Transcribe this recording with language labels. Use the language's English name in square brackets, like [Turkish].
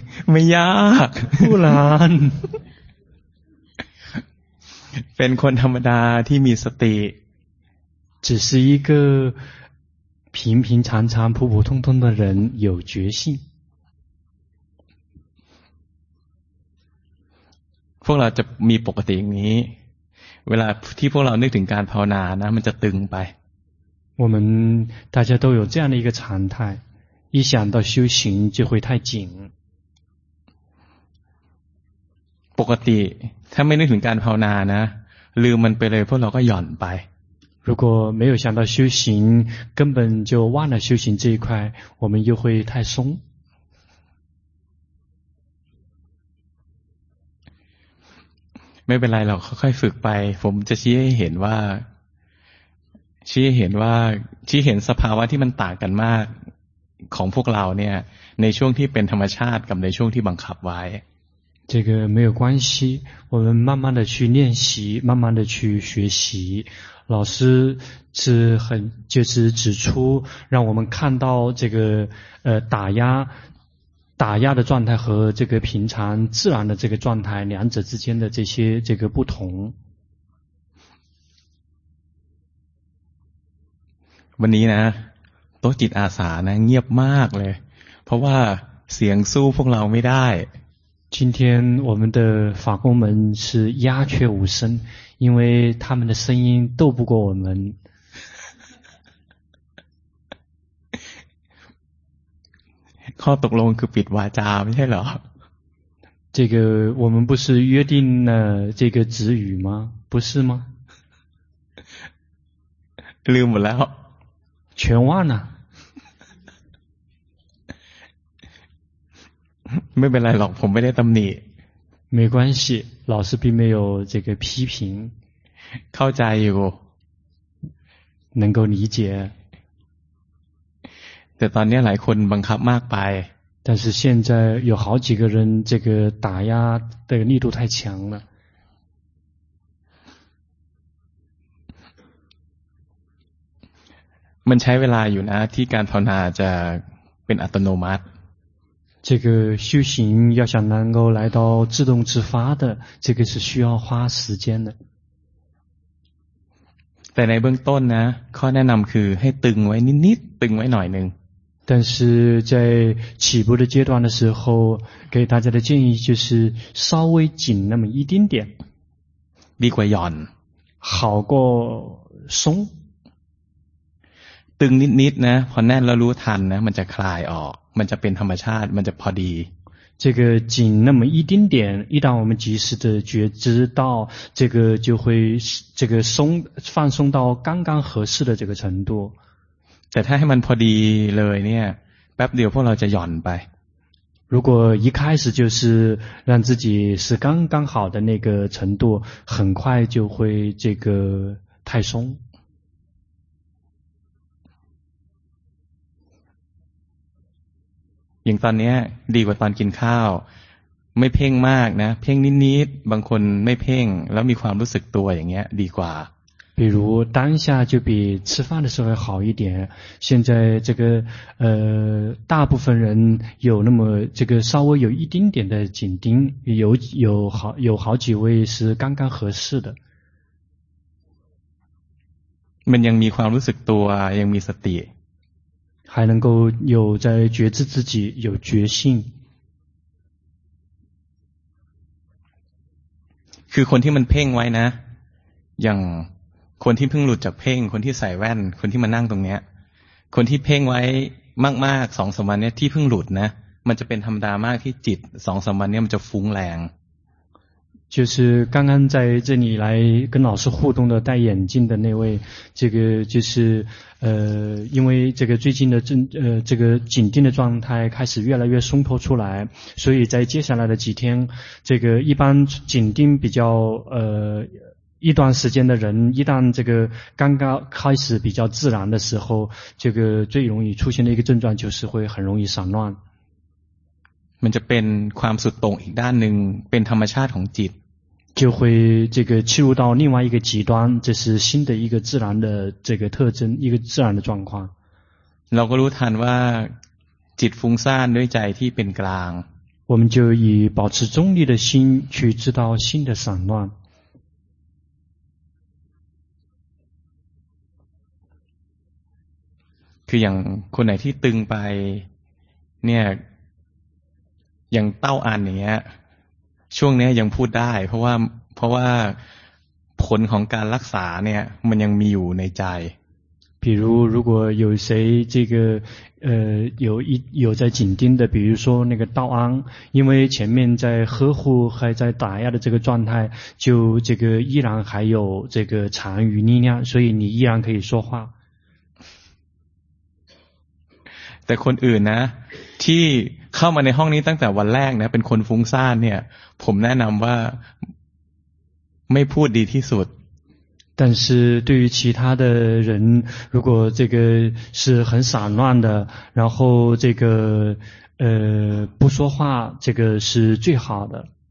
[Thai] ไม่ยาก [Chinese] 不难 [Thai] เป็นคนธรรมดาที่มีสติ [Chinese] 只是一个平平常常普普通通的人有觉性 [Thai] พวกเราจะมีปกติอย่างนี้เวลาที่พวกเรานึกถึงการภาวนานะมันจะตึงไป [Chinese] 我们大家都有这样的一个常态一想到修行就会太紧 [Thai] ปกติถ้าไม่นึกถึงการภาวนานะลืมมันไปเลยพวกเราก็หย่อนไป [Chinese] 如果没有想到修行根本就忘了修行这一块我们又会太松 [Thai] ไม่เป็นไรหรอกค่อยฝึกไปผมจะชี้ให้เห็นว่าชี้เห็นสภาวะที่มันต่างกันมากของพวกเราเนี่ยในช่วงที่เป็นธรรมชาติกับในช่วงที่บังคับไว้ [Chinese] 这个没有关系我们慢慢的去练习慢慢的去学习老师是很就是指出让我们看到这个打压的状态和这个平常自然的这个状态两者之间的这些这个不同 [Thai] วันนี้นะตัวจิตอาสานะเงียบมากเลยเพราะว่าเสียงสู้พวกเราไม่ได้ [Chinese] 今天我们的法工们是鸦雀无声因为他们的声音斗不过我们 [Thai] ข้อตกลงคือปิดวาจาไม่ใช่เหร [Chinese] อ这个我们不是约定了这个止语吗不是吗 [Thai] ลืมหมดแล้ว [Chinese] 全忘了 [Thai] ไม่เป็นไรหรอกผมไม่ได้ตำหนิ [Chinese] 没关系老师并没有这个批评 [Thai] เข้าใจอยู่ [Chinese] 能够理解 [Thai] แต่ตอนนี้หลายคนบังคับมากไป [Chinese] 但是现在有好几个人这个打压的力度太强了 [Thai] มันใช้เวลาอยู่นะที่การภาวนาจะเป็นอัตโนมัติ [Chinese] 这个修行要想能够来到自动自发的这个是需要花时间的 [Thai] แต่ในเบื้องต้นนะข้อแนะนำคือให้ตึงไว้นิดๆตึงไว้หน่อยนึง [Chinese] 但是在起步的阶段的时候给大家的建议就是稍微紧那么一丁点 [Thai] ดีกว่าหย่อน [Chinese] 好过松 [Thai] ตึงนิดๆนะพอแน่นแล้วรู้ทันนะมันจะคลายออกมันจะเป็นธรรมชาติมันจะพอดี [Chinese] 这个紧那么一丁点，一旦我们及时的觉知到，这个就会这个松放松到刚刚合适的这个程度。 [Thai] แต่ถ้าให้มันพอดีเลยเนี่ยแป๊บเดียวพวกเราจะหย่อนไป [Chinese] 如果一开始就是让自己是刚刚好的那个程度，很快就会这个太松。 [Thai] อย่างตอนนี้ดีกว่าตอนกินข้าวไม่เพ่งมากนะเพ่งนิดๆบางคนไม่เพ่งแล้วมีความรู้สึกตัวอย่างเงี้ยดีกว่า [Chinese] 比如当下就比吃饭的时候好一点现在这个大部分人有那么这个稍微有一丁点的紧盯有好几位是刚刚合适的 [Thai] มันยังมีความรู้สึกตัวยังมีสติ [Chinese] 还能够有在觉知自己有觉性 [Thai] คือคนที่มันเพ่งไว้นะอย่างคนที่เพิ่งหลุดจากเพ่งคนที่ใส่แว่นคนที่มานั่งตรงเนี้ยคนที่เพ่งไว้มากๆ 2-3 วันเนี้ยที่เพิ่งหลุดนะมันจะเป็นธรรมดามากที่จิต 2-3 วันเนี้ยมันจะฟุ้งแรง [Chinese] 就是刚刚在这里来跟老师互动的戴眼镜的那位，这个就是因为这个最近的这个紧盯的状态开始越来越松脱出来，所以在接下来的几天，这个一般紧盯比较一段时间的人，一旦这个刚刚开始比较自然的时候，这个最容易出现的一个症状就是会很容易散乱。 [Thai] มันจะเป็นความสุดโต่งอีกด้านหนึ่งเป็นธรรมชาติของจิต [Chinese] 就会这个切入到另外一个极端这是新的一个自然的这个特征一个自然的状况 [Thai] เราก็รู้ทันว่าจิตฟุ้งซ่านด้วยใจที่เป็นกลาง [Chinese] 我们就以保持中立的心去知道心的散乱 [Thai] คืออย่างคนไหนที่ตึงไปเนี่ยอย่างเต้าอันอย่างเงี้ยช่วงนี้ยังพูดได้เพราะว่าผลของการรักษาเนี่ยมันยังมีอยู่ในใจ [Chinese] 比如如果有谁这个有在紧盯的比如说那个道安因为前面在呵护还在打压的这个状态就这个依然还有这个残余力量所以你依然可以说话 [Thai] แต่คนอื่นนะที่เข้ามาในห้องนี้ตั้งแต่วันแรกนะเป็นคนฟุ้งซ่านเนี่ยผมแนะนำว่าไม่พูดดีที่สุด [Chinese] 但是对于其他的人如果这个是很散乱的然后这个不说话这个是最好的